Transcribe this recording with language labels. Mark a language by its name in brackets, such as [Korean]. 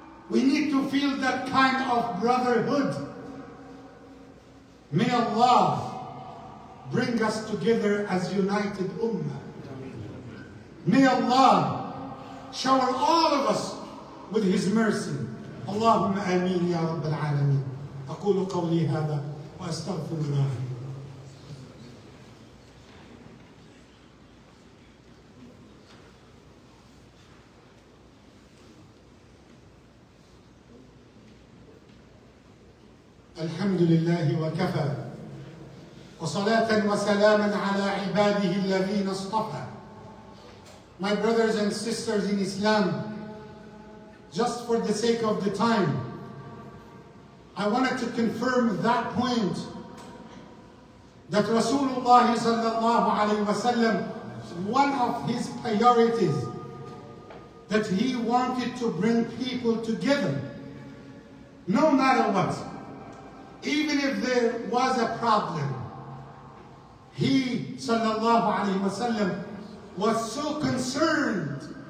[English] We need to feel that kind of brotherhood. May Allah bring us together as united ummah. May Allah shower all of us with His mercy. [Arabic] اللهم آمين يا رب العالمين. أقول قولي هذا وأستغفر الله. الحمد لله وكفى وصلاة وسلاما على عباده الذين اصطفى. [English] My brothers and sisters in Islam, just for the sake of the time, I wanted to confirm that point that Rasulullah sallallahu alaihi wasallam, one of his priorities that he wanted to bring people together, no matter what, even if there was a problem, he sallallahu alaihi wasallam was so concerned